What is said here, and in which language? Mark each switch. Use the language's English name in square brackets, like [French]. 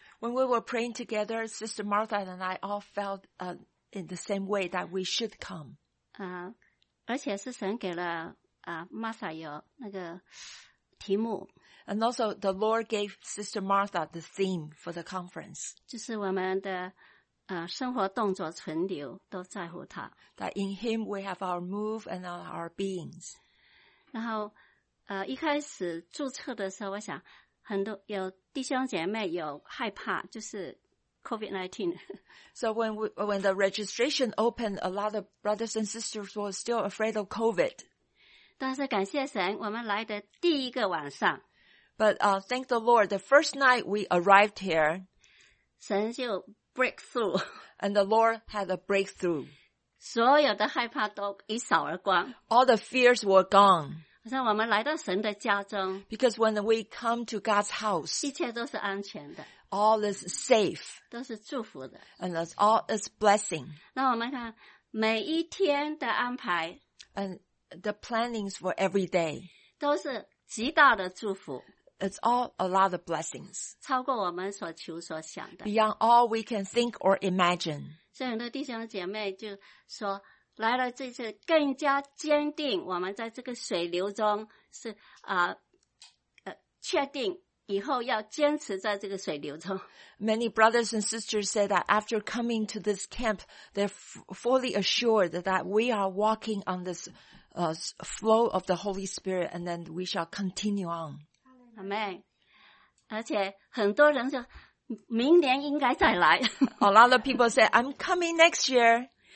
[English] When we were praying together, Sister Martha and I all felt in the same way that we should come. [Chinese] 而且是神给了Martha 有那个题目。 [English] And also the Lord gave Sister Martha the theme for the conference. [Chinese] 就是我们的生活动作存留都在乎他。 [English] That in him we have our move and our beings. [Chinese] 然后一开始注册的时候，我想很多有弟兄姐妹有害怕，就是 COVID-19. [English] So when the registration opened, a lot of brothers and sisters were still afraid of COVID. [Chinese] 但是感谢神，我们来的第一个晚上。 [English] But thank the Lord, the first night we arrived here, [Chinese] 神就 breakthrough. [English] And the Lord had a breakthrough. [Chinese] 所有的害怕都一扫而光。 [English] All the fears were gone. [Chinese] 好像我们来到神的家中。 [English] Because when we come to God's house, [Chinese] 一切都是安全的。 [English] All is safe. [Chinese] 都是祝福的。 [English] And all is blessing. [Chinese] 那我们看每一天的安排。 [English] And the plannings for every day. [Chinese] 都是极大的祝福。 [English] It's all a lot of blessings. [Chinese] 超过我们所求所想的。 [English] Beyond all we can think or imagine. [Chinese] 所以很多弟兄姐妹就说来了这次更加坚定我们在这个水流中是确定以后要坚持在这个水流中。 [English] Many brothers and sisters say that after coming to this camp, they're fully assured that we are walking on this flow of the Holy Spirit and then we shall continue on. Amen. [Chinese] 而且很多人就明年应该再来。 [English] A lot of people say, I'm coming next year.